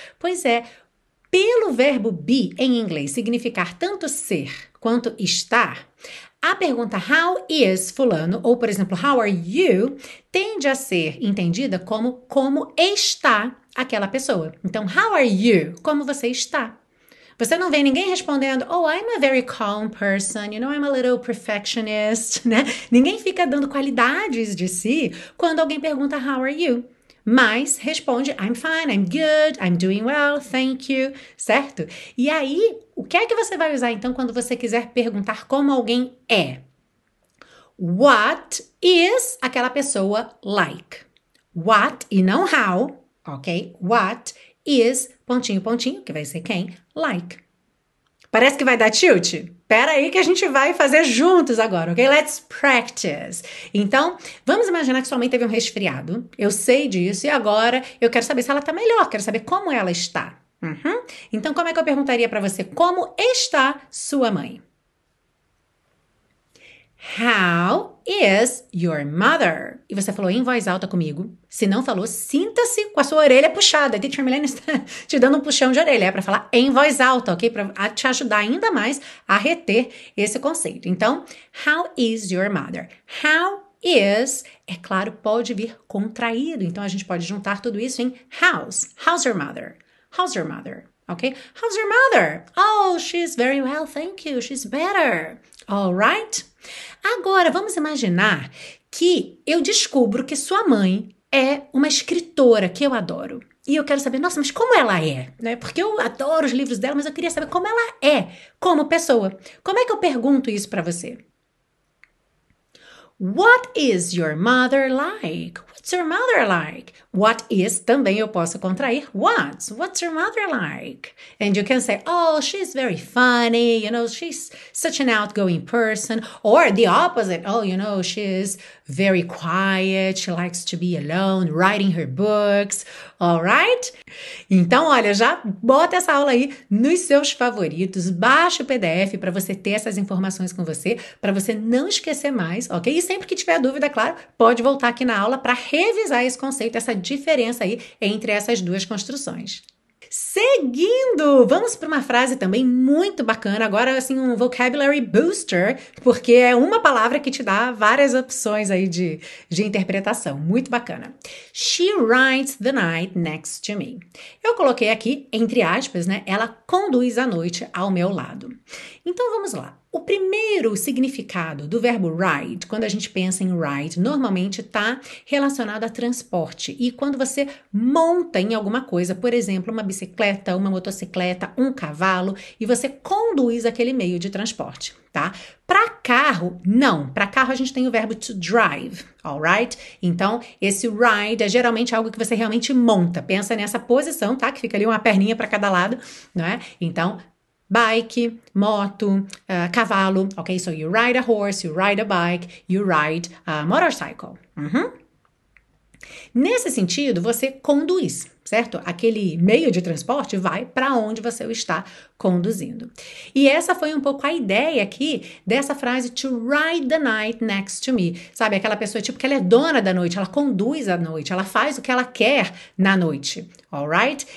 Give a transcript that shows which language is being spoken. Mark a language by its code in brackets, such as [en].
[pt] Pois é, pelo verbo be em inglês significar tanto ser quanto estar, a pergunta [en] How is [pt] fulano, ou por exemplo, [en] How are you, [pt] tende a ser entendida como está aquela pessoa. Então, [en] How are you? [pt] Como você está? Você não vê ninguém respondendo, [en] oh, I'm a very calm person, you know, I'm a little perfectionist, [pt] né? Ninguém fica dando qualidades de si quando alguém pergunta, [en] how are you? [pt] Mas responde, [en] I'm fine, I'm good, I'm doing well, thank you, certo? [pt] E aí, o que é que você vai usar então quando você quiser perguntar como alguém é? [en] What is [pt] aquela pessoa [en] like? [pt] What e não how, ok? What is, pontinho, pontinho, que vai ser quem, like. Parece que vai dar tilt? Pera aí que a gente vai fazer juntos agora, ok? [en] Let's practice. [pt] Então, vamos imaginar que sua mãe teve um resfriado. Eu sei disso e agora eu quero saber se ela tá melhor, quero saber como ela está. Então, como é que eu perguntaria para você como está sua mãe? [en] How is your mother? [pt] E você falou em voz alta comigo. Se não falou, sinta-se com a sua orelha puxada. A teacher Milena está te dando um puxão de orelha. É para falar em voz alta, ok? Para te ajudar ainda mais a reter esse conceito. [en] Então, how is your mother? How is, [pt] é claro, pode vir contraído. Então, a gente pode juntar tudo isso em how's. [en] How's your mother? How's your mother? Ok? How's your mother? Oh, she's very well, thank you. She's better. All right? [pt] Agora, vamos imaginar que eu descubro que sua mãe é uma escritora que eu adoro. E eu quero saber, nossa, mas como ela é? Né? Porque eu adoro os livros dela, mas eu queria saber como ela é como pessoa. Como é que eu pergunto isso para você? [en] What is your mother like? What's your mother like? What is, [pt] também eu posso contrair, what's? [en] What's your mother like? And you can say, oh, she's very funny, you know, she's such an outgoing person. Or the opposite, oh, you know, she's very quiet, she likes to be alone, writing her books, all right? [pt] Então, olha, já bota essa aula aí nos seus favoritos, baixa o PDF para você ter essas informações com você, para você não esquecer mais, ok? E sempre que tiver dúvida, claro, pode voltar aqui na aula para revisar esse conceito, essa diferença aí entre essas duas construções. Seguindo, vamos para uma frase também muito bacana. Agora, assim, um vocabulary booster, porque é uma palavra que te dá várias opções aí de interpretação. Muito bacana. [en] She rides the night next to me. [pt] Eu coloquei aqui, entre aspas, né? Ela conduz a noite ao meu lado. Então, vamos lá. O primeiro significado do verbo ride, quando a gente pensa em ride, normalmente está relacionado a transporte. E quando você monta em alguma coisa, por exemplo, uma bicicleta, uma motocicleta, um cavalo, e você conduz aquele meio de transporte, tá? Para carro, não. Para carro a gente tem o verbo to drive, [en] all right? [pt] Então, esse ride é geralmente algo que você realmente monta. Pensa nessa posição, tá? Que fica ali uma perninha para cada lado, não é? Então, bike, moto, cavalo. [en] Ok, so you ride a horse, you ride a bike, you ride a motorcycle. [pt] Nesse sentido, você conduz, certo? Aquele meio de transporte vai para onde você o está conduzindo. E essa foi um pouco a ideia aqui dessa frase [en] to ride the night next to me. [pt] Sabe, aquela pessoa tipo que ela é dona da noite, ela conduz a noite, ela faz o que ela quer na noite. [en] All right?